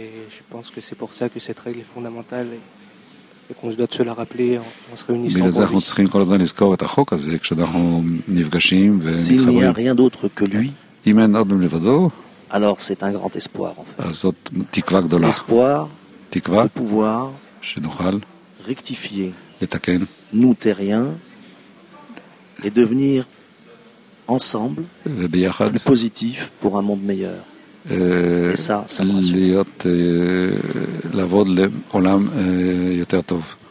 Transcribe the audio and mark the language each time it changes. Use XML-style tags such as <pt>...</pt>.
<fr>Je pense que c'est pour ça que cette règle est fondamentale et qu'on se doit de se la rappeler en se réunissant.</fr> <he>בגלל זה אנחנו צריכים כל הזמן לזכור את החוק הזה כשאנחנו נפגשים ונתחברים.</he> <fr>S'il n'y a rien d'autre que lui.</fr> <he>אם אין עוד מלבדו.</he> <fr>Alors c'est un grand espoir en fait.</fr> <he>אז זאת תקווה גדולה.</he> <fr>Espoir</fr> <he>תקווה,</he> <fr>de pouvoir</fr> <he>שנוכל</he> <fr>rectifier</fr> <he>לתקן</he> <fr>nous terriens et devenir ensemble</fr> <he>וביחד</he> <fr>plus positif pour un monde meilleur. Et ça, ça me rassure.</fr> <he>להיות, לעבוד לעולם יותר טוב.</he>